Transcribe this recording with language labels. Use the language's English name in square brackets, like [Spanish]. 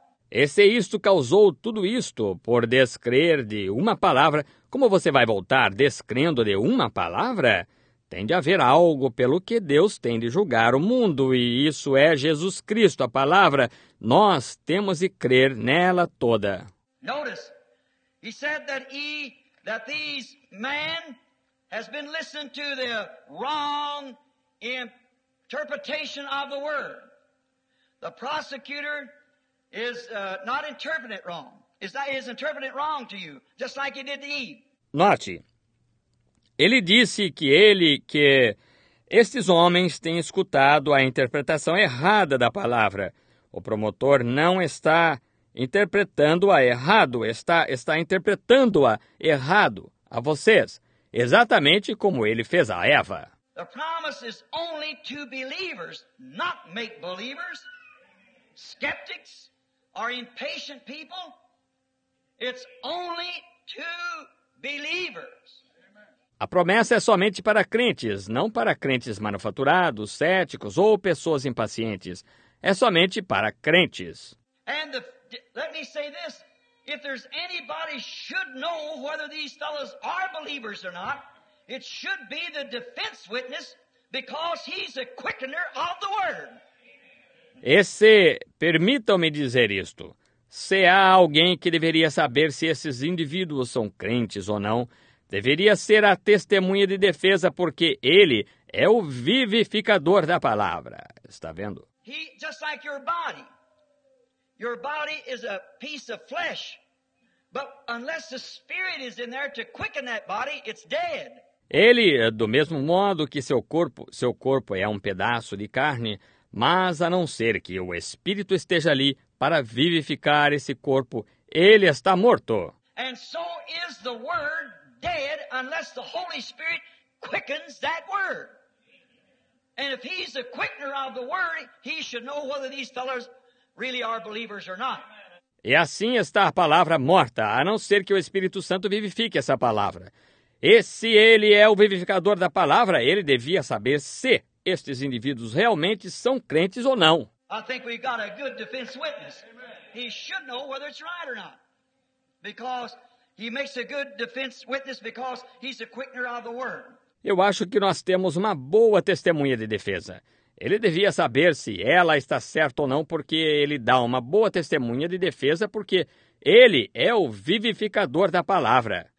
[Portuguese] Esse isto causou tudo isto por descrer de uma palavra. Como você vai voltar descrendo de uma palavra? Tem de haver algo pelo que Deus tem de julgar o mundo, e isso é Jesus Cristo, a palavra. Nós temos de crer nela toda. [English] Notice, he said that he, that these men has been listened to the wrong interpretation of the word. The prosecutor is not interpreting it wrong. Is interpreting it wrong to you, just like he did to Eve. [Portuguese] Note, ele disse que estes homens têm escutado a interpretação errada da palavra. O promotor não está interpretando-a errado, está interpretando-a errado a vocês, exatamente como ele fez a Eva. [English] The promise is only to believers, not make believers, skeptics, are impatient people. It's only to believers. [Portuguese] A promessa é somente para crentes, não para crentes manufaturados, céticos ou pessoas impacientes. É somente para crentes. [English] Let me say this: if there's anybody should know whether these fellows are believers or not, it should be the defense witness, because he's a quickener of the word. [Portuguese] Esse, permitam-me dizer isto, se há alguém que deveria saber se esses indivíduos são crentes ou não, deveria ser a testemunha de defesa, porque ele é o vivificador da palavra. Está vendo? [English] He, just like your body is a piece of flesh, but unless the spirit is in there to quicken that body, it's dead. [Portuguese] Ele, do mesmo modo que seu corpo é um pedaço de carne, mas a não ser que o Espírito esteja ali para vivificar esse corpo, ele está morto. [English] And so is the word dead unless the Holy Spirit quickens that word. And if he's a quickener of the word, he should know whether these fellows really are believers or not. [Portuguese] E assim está a palavra morta, a não ser que o Espírito Santo vivifique essa palavra. E se ele é o vivificador da palavra, ele devia saber se estes indivíduos realmente são crentes ou não. [English] I think we've got a good defense witness. He should know whether it's right or not. Because he makes a good defense witness because he's a quickener of the word. [Portuguese] Eu acho que nós temos uma boa testemunha de defesa. Ele devia saber se ela está certa ou não, porque ele dá uma boa testemunha de defesa, porque ele é o vivificador da palavra.